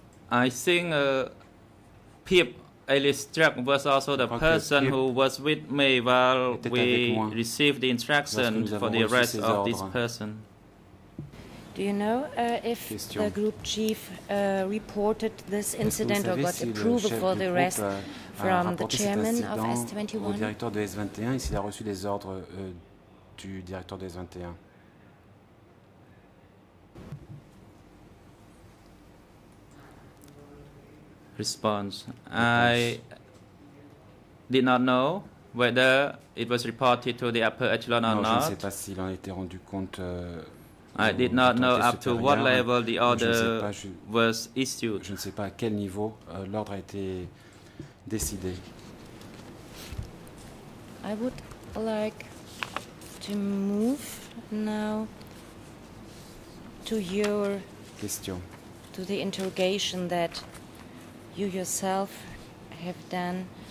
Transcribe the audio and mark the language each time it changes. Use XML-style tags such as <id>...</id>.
<en>I think Pip Elistrak was also the person who was with me while we received the instruction for the arrest of this person. Do you know if the group chief reported this incident or got approval for the arrest from the chairman of S21?</en> <fr>Le directeur de S21, s'il a reçu des ordres du directeur de S21.</fr> <en>Response. I did not know whether it was reported to the upper echelon or</en> <fr>non,</fr> <en>not.</en> <fr>Je ne sais pas s'il en était rendu compte.</fr> <en>I did not know up to what level the order was issued.</en> <fr>Je ne sais pas à quel niveau l'ordre a été décidé.</fr> <en>I would like to move now to your question. To the interrogation that you yourself have done.</en>